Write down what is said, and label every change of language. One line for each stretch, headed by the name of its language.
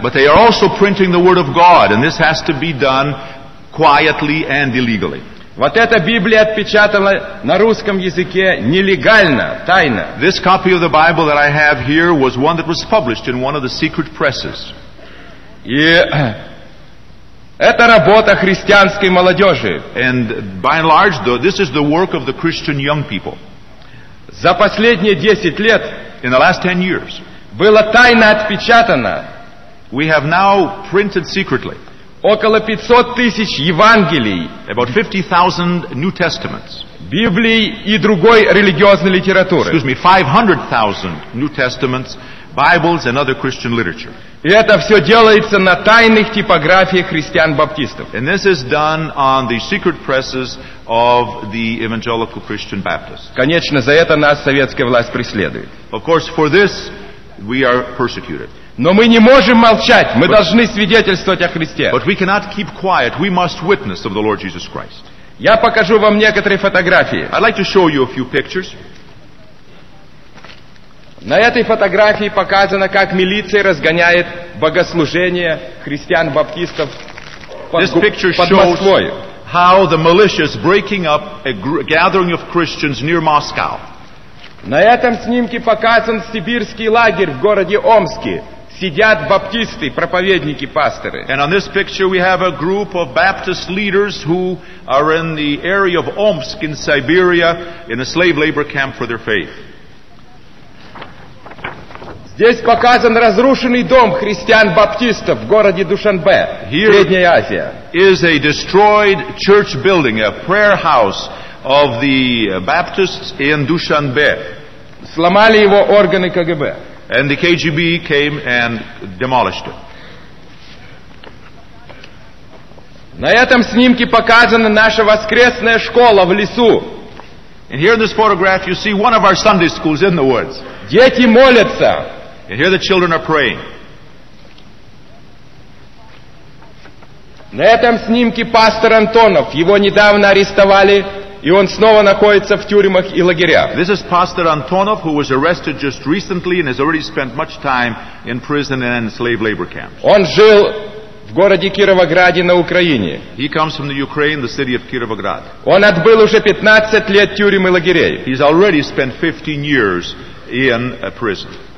English: But they are also printing the Word of God, and this has to be done quietly and illegally.
Russian: Вот эта Библия отпечатана на русском языке нелегально, тайно.
English: This copy of the Bible that I have here was one that was published in one of the secret presses.
Russian: И это работа христианской молодежи.
English: And by and large, though, this is the work of the Christian young people.
Russian: За последние 10 лет,
English: in the last 10 years,
Russian: было тайно отпечатано.
English: We have now printed secretly.
Russian: Около 500 тысяч Евангелий,
English: about 50,000 New Testaments,
Russian: Библии и другой религиозной литературы.
English: Excuse me, 500,000 New Testaments, Bibles and other Christian literature.
Russian: И это все делается на тайных типографиях христиан-баптистов.
English: And this is done on the secret presses of the evangelical Christian Baptists.
Russian: Конечно, за это нас советская власть преследует.
English: Of course, for this we are persecuted.
Russian: Но мы не можем молчать. Мы должны свидетельствовать о Христе.
English: But we cannot keep quiet. We must witness of the Lord Jesus Christ.
Russian: Я покажу вам некоторые фотографии.
English: I'd like to show you a few pictures.
Russian: На этой фотографии показано, как милиция разгоняет богослужение христиан-баптистов под Москвой.
English: How the militia is breaking up a gathering of Christians near Moscow.
Russian: На этом снимке показан сибирский лагерь в городе Омске. Сидят баптисты, проповедники, пасторы.
English: And on this picture we have a group of Baptist leaders who are in the area of Omsk in Siberia in a slave labor camp for their faith.
Russian: Здесь показан разрушенный дом христиан-баптистов в городе Душанбе, Средняя Азия.
English: Here is a destroyed church building, a prayer house of the Baptists in Dushanbe.
Russian: Сломали его органы КГБ.
English: And the KGB came and demolished it.
Russian: На этом снимке показана наша воскресная школа в лесу.
English: And here in this photograph you see one of our Sunday schools in the woods.
Russian: Дети молятся.
English: And here the children are praying.
Russian: На этом снимке пастор Антонов. Его недавно арестовали, и он снова находится в тюрьмах и лагерях.
English: This is Pastor Antonov, who was arrested just recently and has already spent much time in prison and in slave labor camps.
Russian: Он жил в городе Кировограде на Украине.
English: He comes from the Ukraine, the city of Kirovograd.
Russian: Он отбыл уже 15 лет тюрьмы и лагерей.
English: He's already spent 15 years in a prison.